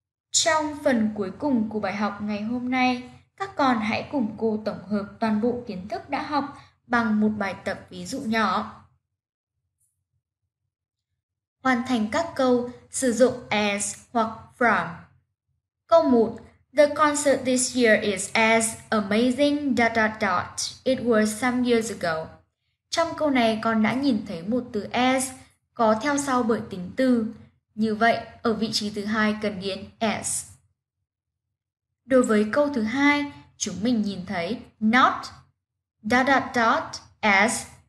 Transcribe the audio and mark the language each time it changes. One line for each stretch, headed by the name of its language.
Vietnamese: Trong phần cuối cùng của bài học ngày hôm nay, các con hãy cùng cô tổng hợp toàn bộ kiến thức đã học bằng một bài tập ví dụ nhỏ. Hoàn thành các câu sử dụng as hoặc from. Câu 1.
English: The concert this year is as amazing dot dot dot it was some years ago.
Vietnamese: Trong câu này con đã nhìn thấy một từ as có theo sau bởi tính từ. Như vậy, ở vị trí thứ hai cần điền as. Đối với câu thứ hai, chúng mình nhìn thấy
English: not dot dot dot as.